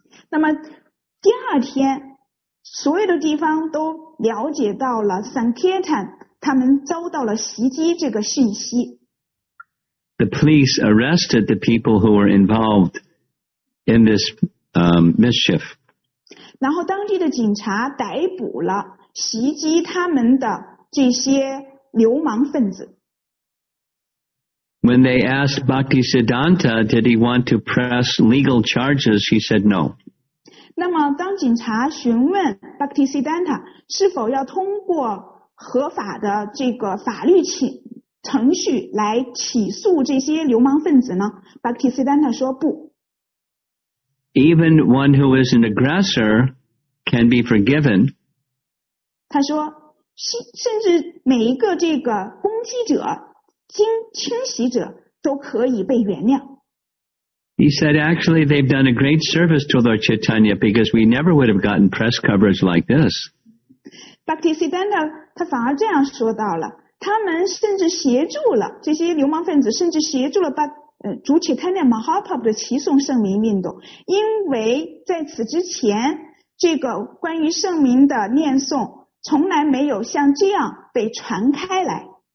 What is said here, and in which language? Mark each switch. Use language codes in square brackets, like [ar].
[zh] 那么第二天所有的地方都了解到了 Sankirtan 他们遭到了袭击这个讯息。 [en] The police arrested the people who were involved in this mischief. [zh] 然后当地的警察逮捕了袭击他们的这些流氓分子。 [en] When they asked Bhaktisiddhanta, did he want to press legal charges, he said no. [zh] 那么当警察询问 Bhaktisiddhanta 是否要通过合法的这个法律程序来起诉这些流氓分子呢 ?Bhaktisiddhanta 说不。 [en] Even one who is an aggressor can be forgiven. [zh] 他说甚至每一个这个攻击者侵袭者都可以被原谅。 [en] He said, actually, they've done a great service to Lord Chaitanya because we never would have gotten press coverage like this. [zh] Bhaktisiddhanta, 他反而这样说到了，他们甚至协助了这些流氓分子，甚至协助了主 Chaitanya Mahaprabhu 的齐颂圣名运动，因为在此之前，这个关于圣名的念诵从来没有像这样被传开来。